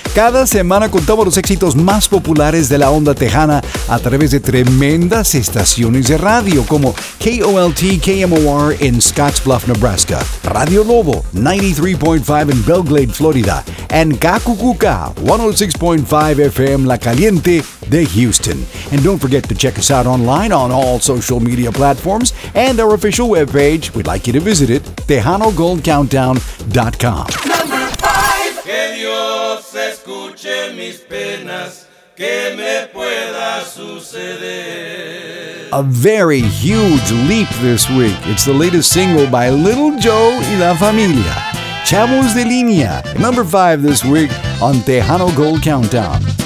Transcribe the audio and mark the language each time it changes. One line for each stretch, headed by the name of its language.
Spanish: Cada semana contamos los éxitos más populares de la onda tejana a través de tremendas estaciones de radio como KOLT KMOR en Scottsbluff, Nebraska, Radio Lobo 93.5 en Belgrade, Florida, and Kakukuka 106.5 FM La Caliente de Houston.
English: And don't forget to check us out online on all social media platforms and our official webpage. We'd like you to visit it, TejanoGoldCountdown.com. Number 5.
Spanish: Que Dios escuche mis penas, que me pueda suceder.
English: A very huge leap this week. It's the latest single by Little Joe y La Familia. Chavos de Línea, number 5 this week on Tejano Gold Countdown.